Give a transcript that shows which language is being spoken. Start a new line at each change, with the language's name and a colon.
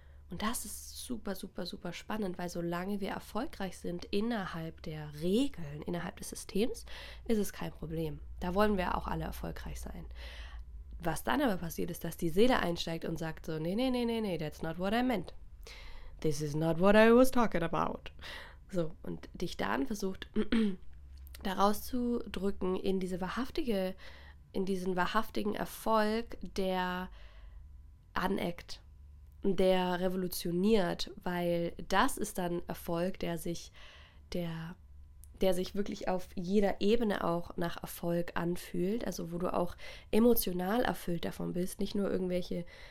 German: Und das ist super, super, super spannend, weil solange wir erfolgreich sind innerhalb der Regeln, innerhalb des Systems, ist es kein Problem. Da wollen wir auch alle erfolgreich sein. Was dann aber passiert, ist, dass die Seele einsteigt und sagt so, nee, nee, nee, nee, nee,
English: that's not what I meant. This is not what I was talking about.
German: So, und dich dann versucht, da rauszudrücken in diese wahrhaftige, in diesen wahrhaftigen Erfolg, der aneckt, der revolutioniert, weil das ist dann Erfolg, der sich wirklich auf jeder Ebene auch nach Erfolg anfühlt, also wo du auch emotional erfüllt davon bist, nicht nur irgendwelches